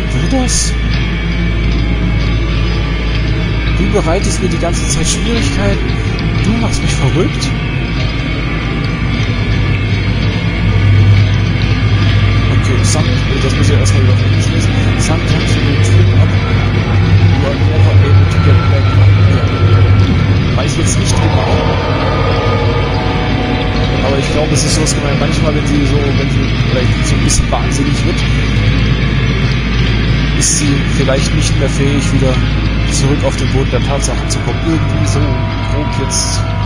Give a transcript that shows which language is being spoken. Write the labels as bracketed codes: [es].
[de] Das? Du bereitest mir die ganze Zeit Schwierigkeiten. Du machst mich verrückt. Okay, das muss ich ja erstmal wieder schließen. [en] Sometimes you trip up. You are never able to get back up. [de] Weiß jetzt nicht genau. Aber ich glaube, es ist so gemeint. Manchmal, wenn sie vielleicht so ein bisschen wahnsinnig wird, ist sie vielleicht nicht mehr fähig, wieder zurück auf den Boden der Tatsachen zu kommen. Irgendwie so grob jetzt.